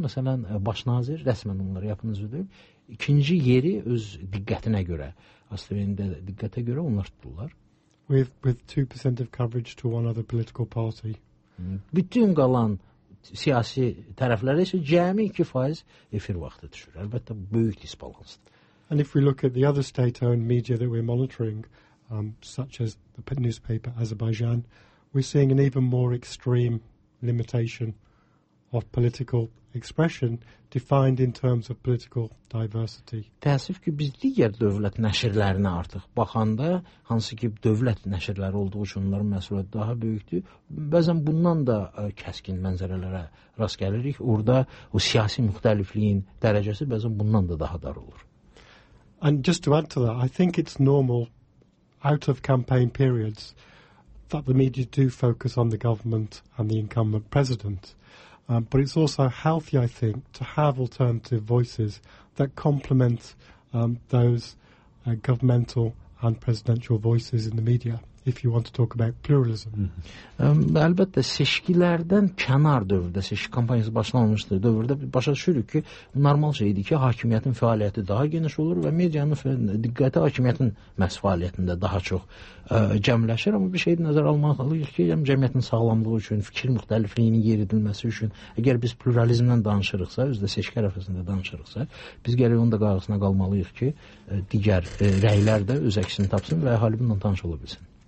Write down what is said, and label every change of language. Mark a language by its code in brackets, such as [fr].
[az] Məsələn, başnazir, rəsmən onları YAP-ın üzvləri. İkinci yeri öz diqqətinə görə, AzTV-nin də diqqətə görə onlar tuturlar. [en] With 2% of coverage to one other political party. [az] Bütün qalan siyasi tərəflərə isə cəmi 2% efir vaxtı düşür. Əlbəttə, böyük disbalansdır. [en] And if we look at the other state-owned media that we're monitoring, such as the newspaper Azerbaijan, we're seeing an even more extreme limitation of political expression defined in terms of political diversity. [az] Təəssüf ki, biz digər dövlət nəşrlərinə artıq baxanda, hansı ki dövlət nəşrləri olduğu üçün onların məsuliyyəti daha böyükdür, bəzən bundan da kəskin mənzərələrə rast gəlirik. Orada o siyasi müxtəlifliyin dərəcəsi bəzən bundan da daha dar olur. [en] And just to add to that, I think it's normal out of campaign periods that the media do focus on the government and the incumbent president. But it's also healthy, I think, to have alternative voices that complement those governmental and presidential voices in the media. if you want to talk about pluralism. [az] Elbette seçkilərdən kənar dövrdə, seçki kampaniyası başlanmışdır dövrdə başa düşürük ki, normal şeydir ki, hakimiyyətin fəaliyyəti daha geniş olur və medianın diqqəti hakimiyyətin məhz fəaliyyətində daha çox cəmləşir. Amma bir şeyi nəzərə almalıyıq ki, cəmiyyətin sağlamlığı üçün, fikir müxtəlifliyinin yeridilməsi üçün, əgər biz pluralizmdən danışırıqsa, özü də seçki ərəfəsində danışırıqsa, biz gələk onda qayğısına qalmalıyıq ki, digər rəylər də öz əksini tapsın və əhali bundan tanış ola bilsin.